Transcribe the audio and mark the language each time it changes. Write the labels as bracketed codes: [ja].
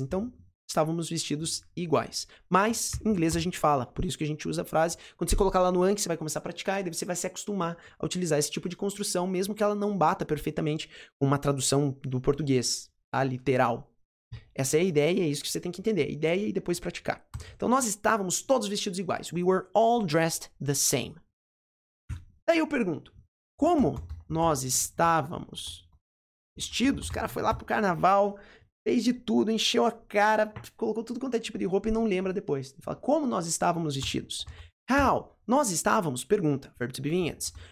[pt] Então, estávamos vestidos iguais. Mas, em inglês a gente fala, por isso que a gente usa a frase. Quando você colocar lá no Anki, você vai começar a praticar e daí você vai se acostumar a utilizar esse tipo de construção, mesmo que ela não bata perfeitamente com uma tradução do português, tá? Literal. Essa é a ideia, é isso que você tem que entender. A ideia e depois praticar. Então, nós estávamos todos vestidos iguais. [en] We were all dressed the same. [pt] Daí eu pergunto, como nós estávamos vestidos? O cara foi lá pro carnaval, fez de tudo, encheu a cara, colocou tudo quanto é tipo de roupa e não lembra depois. Ele fala, como nós estávamos vestidos? [en] How? [pt] Nós estávamos, pergunta, verbo to be vestidos.